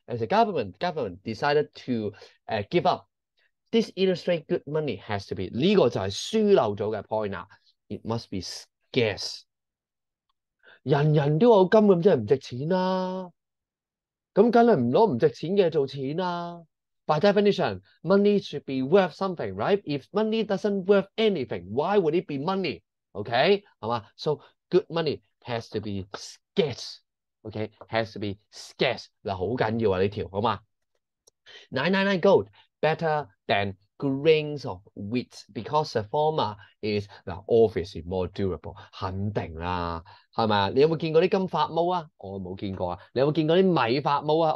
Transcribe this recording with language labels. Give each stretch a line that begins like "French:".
English: As a government decided to give up, this illustrates good money has to be,
Chinese: 這個就是輸漏了的point啊.
English: It must be scarce.
Chinese: 人人都有金,那真的不值錢啊. 那當然不拿不值錢的做錢啊.
English: By definition, money should be worth something, right? If money doesn't worth anything, why would it be money? Okay? So good money has to be scarce. Okay? Has to be scarce.
Chinese: 這條很重要啊,
English: 999 gold, better than grains of wheat, because the former is obviously more durable.
Chinese: 肯定啦, 是吧? 你有沒有見過金髮帽啊?我沒有見過啊, 你有沒有見過米髮帽啊?